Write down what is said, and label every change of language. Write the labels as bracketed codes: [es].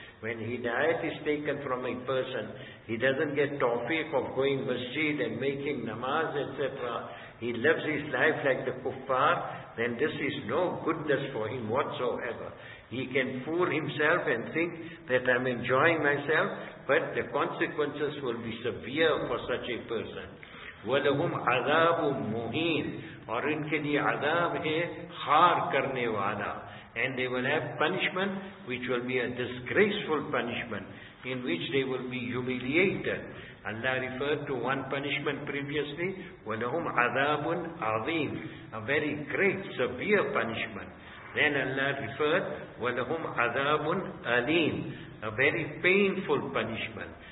[en] When hidayat is taken from a person, he doesn't get tawfiq of going masjid and making namaz, etc. He lives his life like the kuffar, then this is no goodness for him whatsoever. He can fool himself and think that I'm enjoying myself, but the consequences will be severe for such a person. [ar] وَلَهُمْ عَذَابٌ مُهِينٌ [ur] اور ان کے لئے عذاب ہے خار کرنے والا. [en] And they will have punishment which will be a disgraceful punishment in which they will be humiliated. Allah referred to one punishment previously. [ar] وَلَهُمْ عَذَابٌ عَظِيمٌ [en] A very great, severe punishment. Then Allah referred, [ar] وَلَهُمْ عَذَابٌ أَلِيمٌ [en] A very painful punishment.